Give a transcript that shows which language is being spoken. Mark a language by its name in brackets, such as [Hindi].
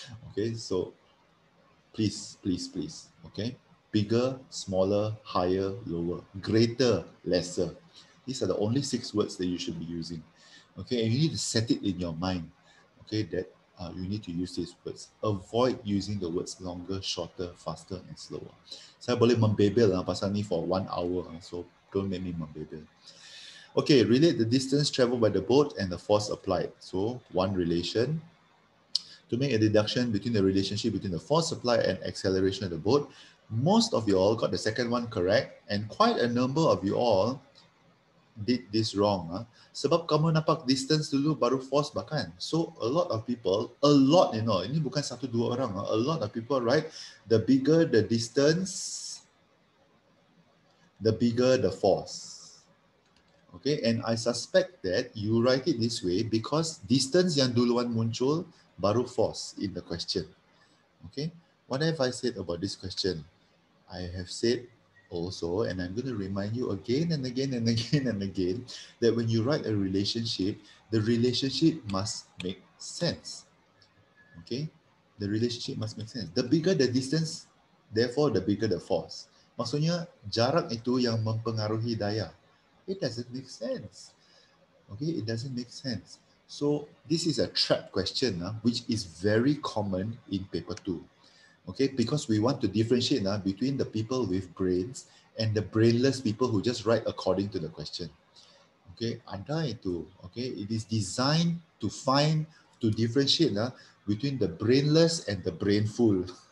[English] Okay, so please, please, please. Okay, bigger, smaller, higher, lower, greater, lesser. These are the only six words that you should be using. Okay, and you need to set it in your mind. Okay, that you need to use these words. Avoid using the words longer, shorter, faster, and slower. [Malay] Saya boleh membebel pasal ni [English] for 1 hour. So don't make me membebel. Okay, relate the distance traveled by the boat and the force applied. So one relation. To make a deduction between the relationship between the force applied and acceleration of the boat, most of you all got the second one correct, and quite a number of you all did this wrong. [Malay] Sebab kamu nampak distance dulu baru force bahkan. [English] So a lot, you know, [Malay] ini bukan satu dua orang. [English] A lot of people, right? The bigger the distance, the bigger the force. Okay, and I suspect that you write it this way because distance [Malay] yang duluan muncul baru [English] force in the question. Okay, what have I said about this question? I have said also, and I'm going to remind you again and again and again and again, that when you write a relationship, the relationship must make sense. Okay, the relationship must make sense. The bigger the distance, therefore the bigger the force. [Malay] Maksudnya, jarak itu yang mempengaruhi daya. [English] It doesn't make sense. Okay, it doesn't make sense. So this is a trap question, which is very common in paper 2. Okay, because we want to differentiate between the people with brains and the brainless people who just write according to the question. Okay, [Malay] anda itu, [English] okay, it is designed to find, to differentiate between the brainless and the brainful.